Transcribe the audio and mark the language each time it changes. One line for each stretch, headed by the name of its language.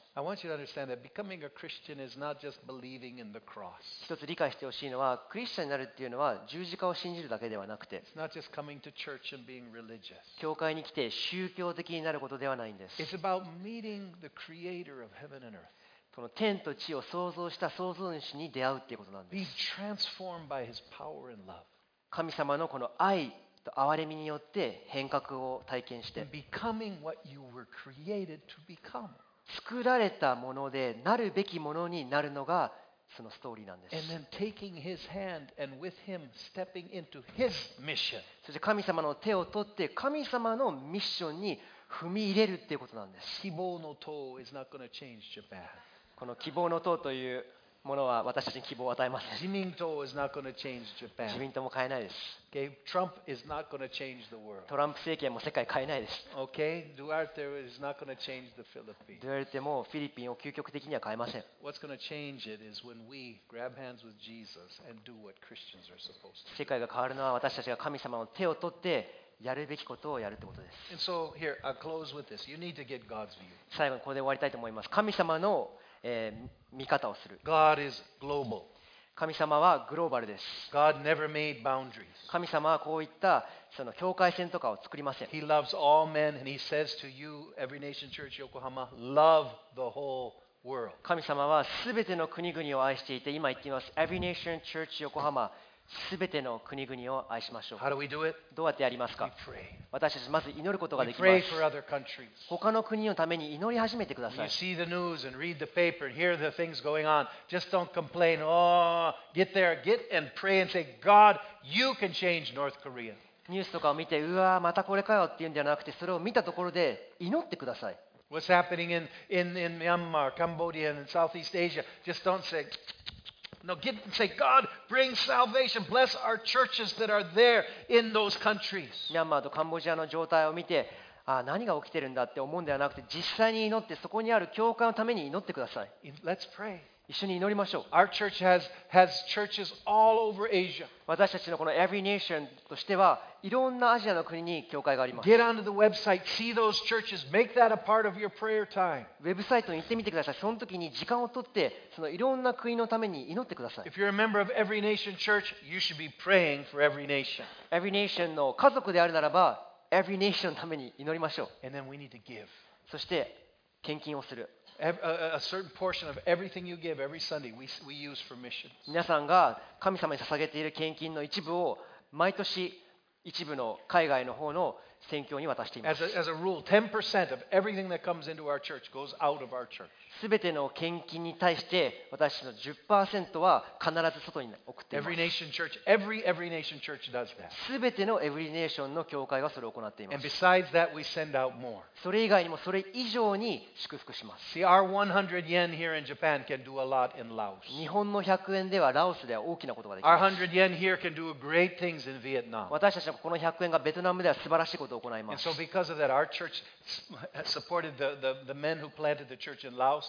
English: I want you to understand that becoming a Christian is not just believing in the cross.
Japanese: 一つ理解してほしいのは、クリスチャンになるっていうのは十字架を信じるだけではなくて、
English: It's not just coming to church and being religious.
Japanese: 教会に来て宗教的になることではないんです。
English: It's about meeting the creator of heaven and earth.
Japanese: この天と地を創造した創造主に出会うっていうことなんです。
English: Being transformed by his power and love.
Japanese: 神様のこの愛と憐れみによって変革を体験して、
English: And becoming what you were created to become.
Japanese: 作られたものでなるべきものになるのがそのストーリーなんです。
English: And then taking his hand and with him stepping into his mission.
Japanese: そして神様の手を取って神様のミッションに踏み入れるっていうことなんです。
English: 希望の塔 is not going to change Japan.
Japanese: この希望の塔というものは私たちに希望を与えません。
English: 自民党 is not going to change Japan.
Japanese: 自民党も変えないです。
English: Okay, Trump is not going to change the world.
Japanese: トランプ政権も世界変えないです。
English: Okay, Duterte is not going to change the Philippines.
Japanese: ドゥアルテもフィリピンを究極的には変えません。
English: What's going to change it is when we grab hands with Jesus and do what Christians are supposed to.
Japanese: 世界が変わるのは私たちが神様の手を取ってやるべきことをやるってことです。
English: And so here, I'll close with this. You need to get God's view.
Japanese: 最後にここで終わりたいと思います。神様の見方をする。
English: God is global.
Japanese: 神様はグローバルです。
English: God never made boundaries.
Japanese: 神様はこういったその境界線とかを作りません。
English: He loves all men and he says to you, Every Nation Church Yokohama, love the whole world.
Japanese: 神様はすべての国々を愛していて、今言っています。 Every Nation Church Yokohama, すべての国々を愛しましょう。
English: How do we do it?
Japanese: どうやってやりますか？
English: We pray.
Japanese: 私たちまず祈ることができます。
English: We pray for other countries.
Japanese: 他の国のために祈り始めてください。
English: You see the news and read the paper and hear the things going on. Just don't complain. Oh, get there. Get and pray and say, God, you can change North Korea.
Japanese: ニュースとかを見て、うわ、またこれかよっていうんじゃなくて、それを見たところで祈ってください。
English: What's happening in Myanmar, Cambodia, and Southeast Asia? Just don't say. No, get and say, God, bring salvation. Bless our churches that are there in those countries.
Japanese: ミャンマーとカンボジアの状態を見て、何が起きてるんだって思うんではなくて、実際に祈ってそこにある教会のために祈ってください。
English: Let's pray.
Japanese: 一緒に祈りましょう。
English: Our church has churches all over Asia.
Japanese: 私たちのこの Every Nation としては、いろんなアジアの国に教会があります。
English: Get onto the website. See those churches. Make that a part of your prayer time.
Japanese: ウェブサイトに行ってみてください。その時に時間を取って、そのいろんな国のために祈ってください。
English: If you're a member of Every Nation Church, you should be praying for Every Nation.
Japanese: Every Nation の家族であるならば、Every Nation のために祈りましょう。
English: And then we need to give.
Japanese: そして、献金をする。
English: A certain portion of everything you give every Sunday, we use for missions.
Japanese: 皆さんが神様に捧げている献金の一部を毎年一部の海外の方の宣教に渡しています。
English: As a rule, 10% of everything that comes into our church goes out of our church.
Japanese: すべての献金に対して私の 10% は必ず外に送っています。
English: Every Nation Church, every Nation Church does that.
Japanese: すべての Every Nation の教会がそれを行っています。
English: And besides that, we send out more.
Japanese: それ以外にもそれ以上に祝福します。
English: See, our 100 yen here in Japan can do a lot in Laos.
Japanese: 日本の100円ではラオスでは大きなことができます。
English: Our 100 yen here can do great things in Vietnam.
Japanese: 私たちのこの100円がベトナムでは素晴らしいことを行います。
English: And so because of that, our church supported the men who planted the church in Laos.